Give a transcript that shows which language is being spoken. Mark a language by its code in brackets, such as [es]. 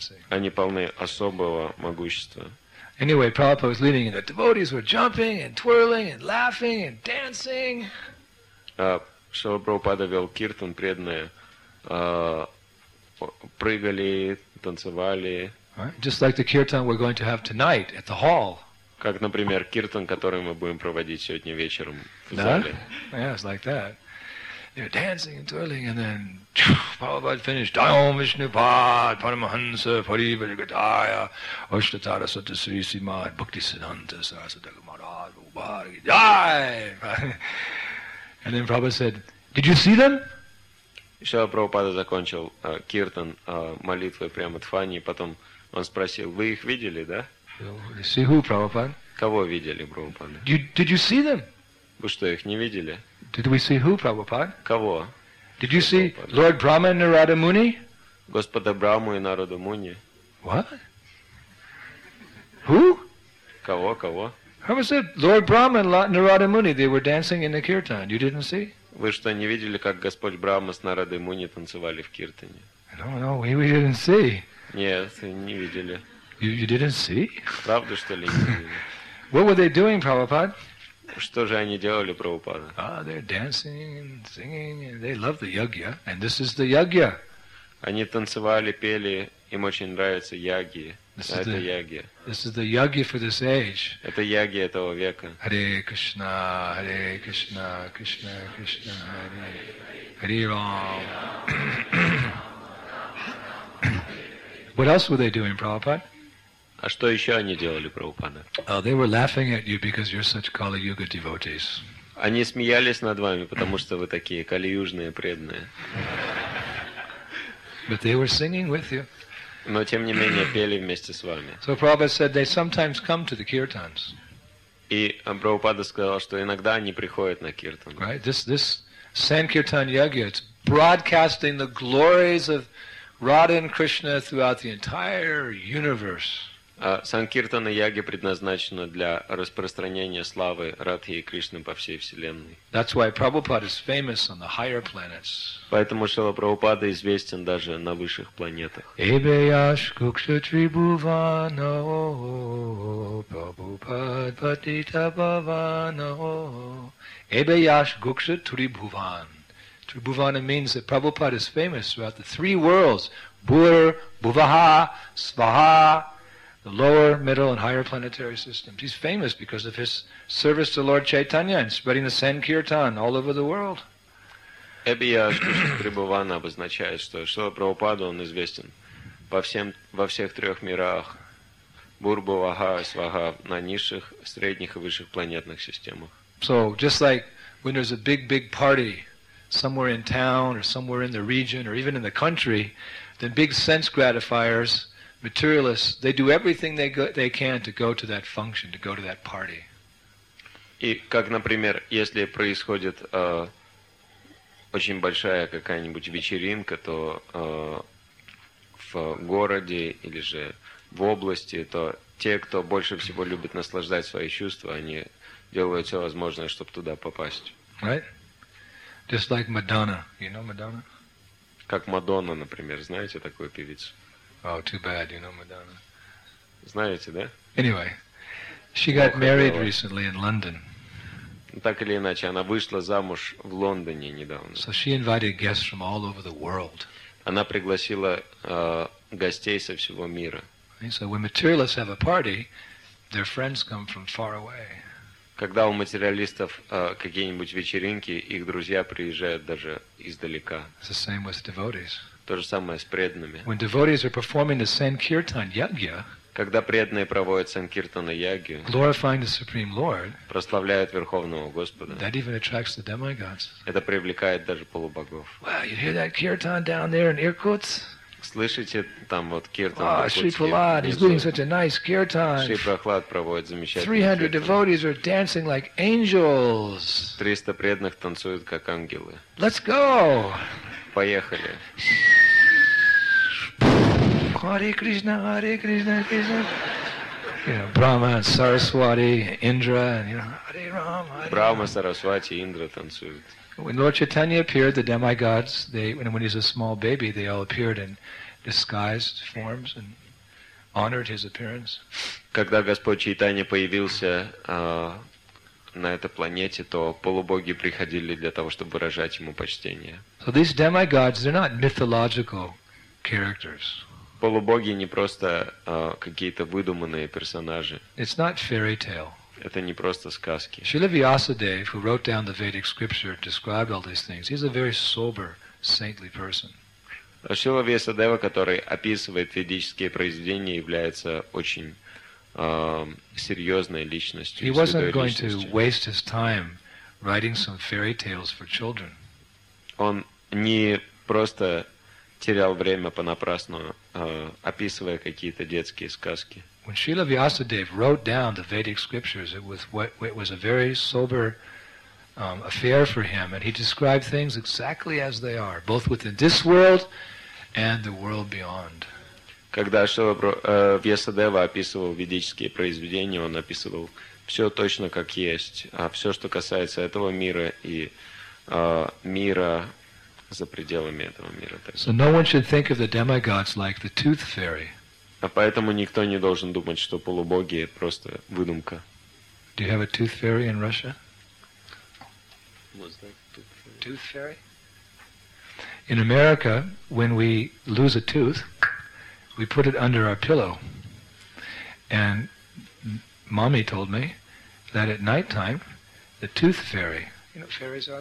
[ru] Они полны особого могущества. [en] Anyway, Prabhupada was leading, and the devotees were jumping and twirling and laughing and dancing. [ru] Шрила Прабхупада вел киртан, преданные прыгали, танцевали. [en] Just like the kirtan we're going to have tonight at the hall. [ru] Как, например, киртан, который мы будем проводить сегодня вечером в да? зале. [en] Yeah, it's like that. They're dancing and twirling, and then Prabhupada finished. [sa] Dayom Vishnupad, Paramahansa, Parivarigataya, Ashtatara Sata Sri Simad, Bhakti Siddhanta Sarasata Kumarad, Vubhari, Jai! [en] And then Prabhupada said, did you see them? [ru] Шрила Прабхупада закончил киртан молитвой прямо Дхвани, и потом он спросил, вы их видели, да? [en] You see who, Prabhupada? [ru] Кого видели, Прабхупада? [en] Did you see them? [ru] Вы что, их не видели? [en] Did we see who, Prabhupada? [ru] Кого? [en] Did you see Prabhupada? Lord Brahma and Narada Muni? [ru] Господа Брахму и Нараду Муни. [en] What? Who? [ru] Кого, кого? [en] How was it? Lord Brahma and Narada Muni, they were dancing in the kirtan. You didn't see? [ru] Вы что, не видели, как Господь Брахма с Нарадой Муни танцевали в киртане? [en] No, we didn't see. [ru] Нет, не видели. [en] You didn't see? [ru] Правда, что ли, не видели? [en] What were they doing, Prabhupada? [ru] Что же они делали, Прабхупада? [en] Ah, they're dancing and singing, and they love the yagya, and this is the yagya. [ru] Они танцевали, пели, им очень нравятся яги. Это ягья. [en] This is the yagya for this age. [ru] Это ягья этого века. [sa] Hare Krishna, Hare Krishna, Krishna Krishna, Hare Hare Ram. [en] What else were they doing, Prabhupada? [ru] А что еще они делали, Прабхупада? [en] They were laughing at you because you're such Kali-Yuga devotees. [ru] Они смеялись над вами, потому что вы такие калиюжные преданные. [en] But they were singing with you. [ru] Но тем не менее пели вместе с вами. [en] So Prabhupada said they sometimes come to the kirtans. [ru] И Прабхупада сказал, что иногда они приходят на киртан. [en] Right? This Sankirtan Yagya, it's broadcasting the glories of Radha and Krishna throughout the entire universe. [ru] Санкиртана Яги предназначена для распространения славы Радхи и Кришны по всей Вселенной. [en] That's why Prabhupada is famous on the higher planets. [ru] Поэтому Шрила Прабхупада известен даже на высших планетах. [sa] Эбеяш кукшатрибувано Прабхупад патитабавано Эбеяш кукшатрибуван. [en] Трибувана means that Prabhupada is famous throughout the three worlds. [sa] Бур, Бувага, Сваха. [en] The lower, middle, and higher planetary systems. He's famous because of his service to Lord Chaitanya and spreading the Sankirtan all over the world. [ru] Эбияш Кукшатрибувана обозначает, что Шрила Прабхупада он известен во всех трех мирах, Бурбуваха, Сваха, на низших, средних и высших планетных системах. [en] So, just like when there's a big party somewhere in town or somewhere in the region or even in the country, then big sense gratifiers, materialists, they do everything they can to go to that function, to go to that party. [ru] И как, например, если происходит очень большая какая-нибудь вечеринка, то в городе или же в области, то те, кто больше всего любит наслаждать свои чувства, они делают все возможное, чтобы туда попасть. [en] Right? Just like Madonna. You know Madonna? [ru] Как Мадонна, например. Знаете такую певицу? [en] Oh, too bad, you know Madonna. [ru] Знаете, да? [en] Anyway, she got married recently in London. [ru] Так или иначе, она вышла замуж в Лондоне недавно. [en] So she invited guests from all over the world. [ru] Она пригласила гостей со всего мира. [en] So when materialists have a party, their friends come from far away. [ru] Когда у материалистов какие-нибудь вечеринки, их друзья приезжают даже издалека. [en] It's the same with devotees. [ru] То же самое с преданными. [en] When devotees are performing the Sankirtan Yagya, [ru] когда преданные проводят Санкиртана Ягью, [en] glorifying the Supreme Lord, [ru] прославляют Верховного Господа, [en] that even attracts the demigods. [ru] Это привлекает даже полубогов. [en] Wow, you hear that kirtan down there in Irkutsk? [ru] Слышите там вот киртан? [en] Wow, Шри Прохлад, he's doing such a nice kirtan. [ru] Шри Прохлад проводит замечательный. [en] 300 devotees are dancing like angels. [ru] 300 преданных танцуют как ангелы. [en] Let's go. [ru] Поехали. [sa] Hare Krishna, Hare Krishna, Krishna. [en] You know, Brahma, Saraswati, Indra, and you know, Hare Rama. [ru] Brahma, Saraswati, Indra танцуют. [en] When Lord Chaitanya appeared, the demigods, when he was a small baby, they all appeared in disguised forms and honored his appearance. [ru] Когда Господь Чайтанья появился на этой планете, то полубоги приходили для того, чтобы выражать ему почтение. [en] So these demigods, they're not mythological characters. [ru] Полубоги не просто какие-то выдуманные персонажи. [en] It's not fairy tale. [ru] Это не просто сказки. [en] Srila Vyasadeva, who wrote down the Vedic scripture, described all these things. He's a very sober, saintly person. [ru] Srila Vyasadeva, который описывает ведические произведения, является очень серьезной личностью. [en] He wasn't going to waste his time writing some fairy tales for children. [ru] Он не просто терял время понапрасну, описывая какие-то детские сказки. [en] When Srila Vyasadeva wrote down the Vedic scriptures, it was a very sober affair for him, and he described things exactly as they are, both within this world and the world beyond. [ru] Когда Шрила Вьясадева описывал ведические произведения, он описывал все точно как есть, а все, что касается этого мира и мира за пределами этого мира. [en] So no one should think of the demigods like the tooth fairy. [ru] А поэтому никто не должен думать, что полубоги просто выдумка. [en] Do you have a tooth fairy in Russia? What's that? Tooth fairy? In America, when we lose a tooth, we put it under our pillow. And mommy told me that at nighttime, the tooth fairy, you know what fairies are?